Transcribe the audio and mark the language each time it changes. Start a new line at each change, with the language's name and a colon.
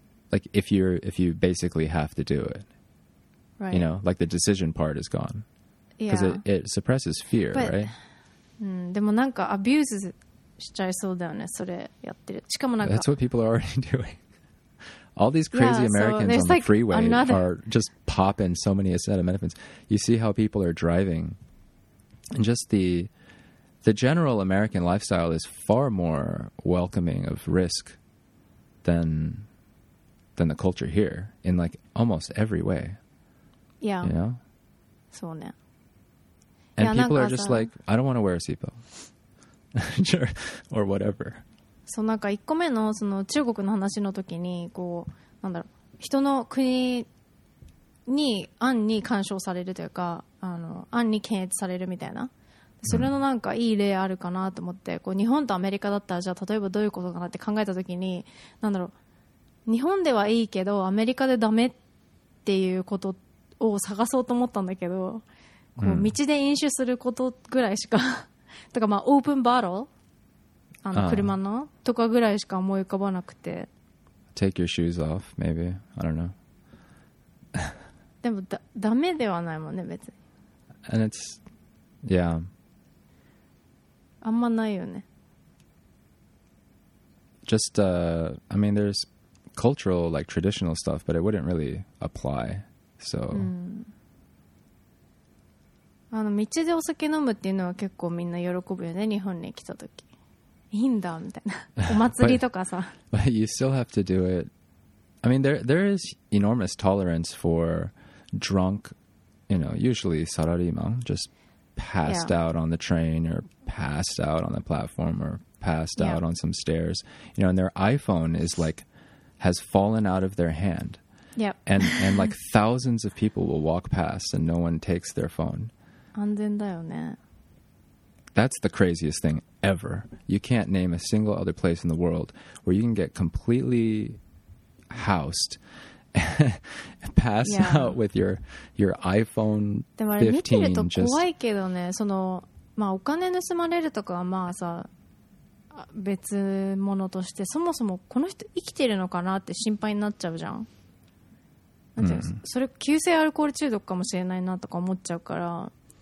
English: Like if you basically have to do it. Right. You know, like the decision part is gone. Because it suppresses fear, but, right?
Japanese: でもなんかアビューズしちゃいそうだよね、それやってる。しかもなんか
English: That's what people are already doing. All these crazy Americans on the freeway are just popping so many acetaminophens. You see how people are driving. And just the general American lifestyle is far more welcoming of risk than the culture here in like almost every way. Yeah. You know?
Japanese: そうね。
English: And people are just like, I don't want to wear a seatbelt. Sure. Or whatever.
Japanese: そうなんか1個目のその中国の話の時にこうなんだろう人の国に案に干渉されるというか案に検閲されるみたいなそれのなんかいい例あるかなと思ってこう日本とアメリカだったらじゃあ例えばどういうことかなって考えた時になんだろう日本ではいいけどアメリカでダメっていうことを探そうと思ったんだけどこう道で飲酒することぐらいしかとかまあオープンバトル車のとかぐらいしか思い浮かばなくて
English: Take your shoes off maybe I don't know
Japanese: でもダメではないもんね別に
English: And it's yeah
Japanese: あんまないよね
English: Just I mean there's cultural like traditional stuff but it wouldn't really apply so、
Japanese: うん道でお酒飲むっていうのは結構みんな喜ぶよね日本に来た時いいんだみたいなお祭りとかさ
English: but you still have to do it I mean there is enormous tolerance for drunk you know usually salaryman just passed、yeah. out on the train or passed out on the platform or passed、yeah. out on some stairs you know and their iPhone is like has fallen out of their hand、 yep. and like thousands of people will walk past and no one takes their phone
Japanese: 安全だよね。
English: That's the craziest thing ever. You can't name a single other place in the world where you can get completely housed pass、yeah. out with your iPhone 15
Japanese: でもあれ見てると怖いけどね。その、まあお金盗まれるとかはまあさ、別物として、そもそもこの人生きてるのかなって心配になっちゃうじゃん。なんていうの、それ急性アルコール中毒かもしれないなとか思っちゃうから。